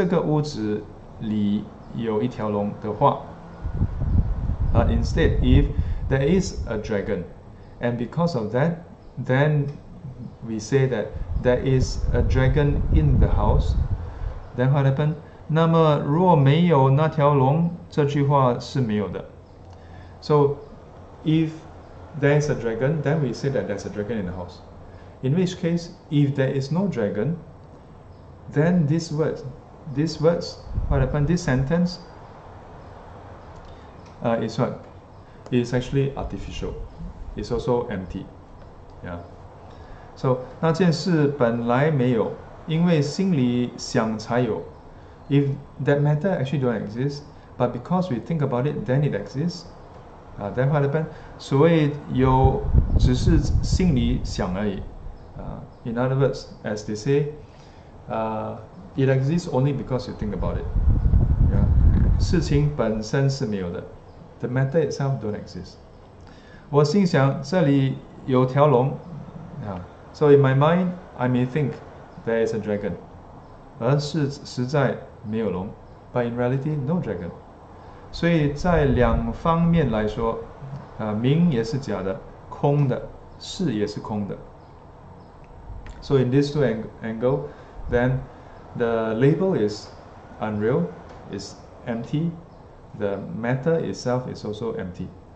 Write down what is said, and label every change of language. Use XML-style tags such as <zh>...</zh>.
<zh>因为有一条龙,然后就说出这个屋子里有一条龙的话,</zh> <en>but instead, if there is a dragon, and because of that, then we say that there is a dragon in the house, then what happened?</en> <zh>那么如果没有那条龙,这句话是没有的.</zh> <en>So, if there is a dragon, then we say that there's a dragon in the house. In which case, if there is no dragon, then these words, what happened, this sentence, is what? It's actually artificial. It's also empty. Yeah.</en> <zh>So, 那件事本来没有,因为心里想才有.</zh> <en>If that matter actually don't exist, but because we think about it, then it exists. Then what happened?</en> <zh>所谓有,只是心里想而已.</zh> <en>In other words, as they say, it exists only because you think about it. Yeah.</en> <zh>事情本身是没有的.</zh> <en>The matter itself don't exist.</en> <zh>我心想,这里有条龙.Yeah.</zh> <en>So in my mind, I may think there is a dragon.</en> <zh>而是实在没有龙.</zh> <en>But in reality, no dragon.</en> <zh>所以在两方面来说, 名也是假的, 空的, 事也是空的.</zh> <en>So in this two angle, then the label is unreal, is empty, the matter itself is also empty.</en>